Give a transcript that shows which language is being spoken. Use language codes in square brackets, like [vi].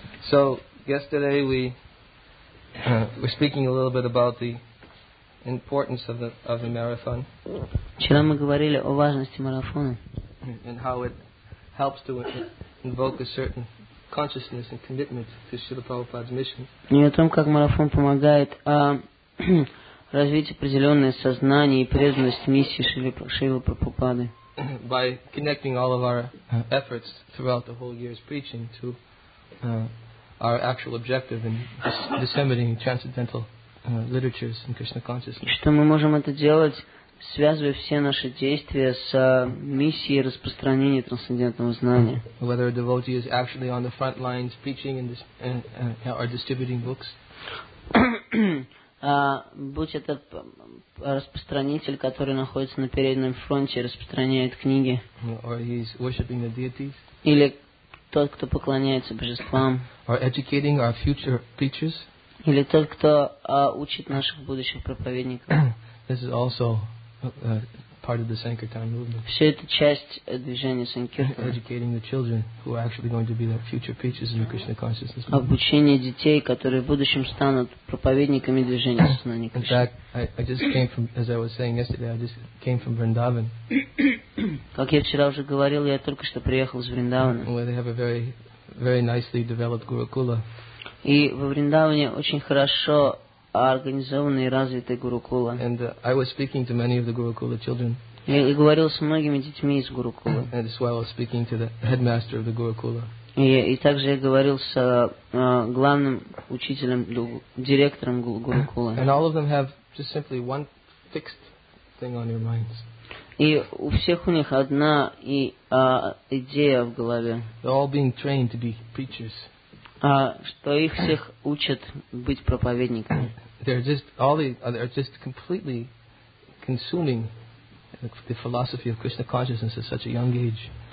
[en] So, yesterday we're speaking a little bit about the importance of the marathon. [ru] Вчера мы говорили о важности марафона. [en] And how it helps to invoke a certain consciousness and commitment to Srila Prabhupada's mission. [ru] И о том, как марафон помогает развить определенное сознание и преданность миссии Шрилы Прабхупады. [en] By connecting all of our efforts throughout the whole year's preaching to our actual objective in disseminating transcendental literatures and Krishna consciousness. [ru] Что мы можем это делать, связывая все наши действия с миссией распространения трансцендентного знания. [en] Whether a devotee is actually on the front lines preaching and or distributing books. [ru] Будь это распространитель, который находится на переднем фронте и распространяет книги. [en] Or he's worshiping the deities. [ru] Или тот, кто поклоняется божествам. [en] Or educating our future preachers. [ru] Или тот, кто учит наших будущих проповедников. [en] This is also part of the Sankirtan movement. [ru] Все это часть движения Санкиртана. [en] Educating the children who are actually going to be the future preachers in the Krishna consciousness. [ru] Обучение детей, которые в будущем станут проповедниками движения сознания Кришны. [en] In fact, I just came from, as I was saying yesterday, I just came from Vrindavan. [ru] Как я вчера уже говорил, я только что приехал из Вриндавана. [en] Where they have a very, very nicely developed Gurukula. [ru] И во Вриндаване очень хорошо организованы и развиты Гурукула. [en] I was speaking to many of the Gurukula children. [ru] И говорил с многими детьми из Гурукула. [en] And as well, I was speaking to the headmaster of the Gurukula. [ru] И также я говорил с главным учителем, директором Гурукула. [en] And all of them have just simply one fixed thing on their minds. [ru] И у всех у них одна идея в голове. [en] They're all being trained to be preachers. [ru] Что их всех учат быть проповедниками. [en] They're just completely consuming the philosophy of Krishna consciousness at such a young age.